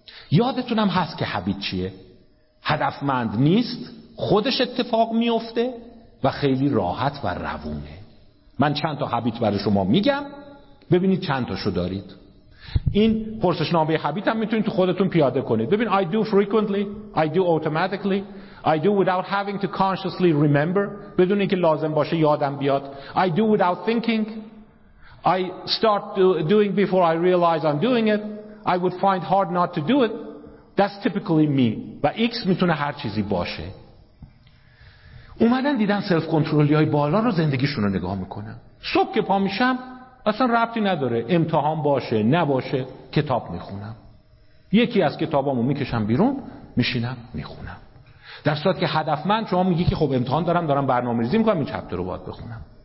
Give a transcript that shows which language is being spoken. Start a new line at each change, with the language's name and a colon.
Persian: یادتونم هست که هبیت چیه؟ هدفمند نیست، خودش اتفاق میفته و خیلی راحت و روونه. من چند تا هبیت برای شما میگم، ببینید چند تاشو دارید. این پرسشنامه هبیت هم میتونید تو خودتون پیاده کنید. ببین
English: I do frequently, I do automatically, I do without having to consciously remember،
Persian: بدون اینکه لازم باشه یادم بیاد.
English: I do without thinking, I start doing before I realize I'm doing it, I would find hard not to do it, that's typically me.
Persian: و X میتونه هر چیزی باشه. اومدن دیدن سلف کنترلی های بالا رو زندگیشون رو نگاه میکنن. صبح که پا میشم اصلا ربطی نداره امتحان باشه نباشه، کتاب میخونم. یکی از کتابامو میکشم بیرون، میشینم میخونم. در صورت که هدفمند شما میگی که خب امتحان دارم، دارم برنامه ریزی میکنم این چپتر رو باید بخونم.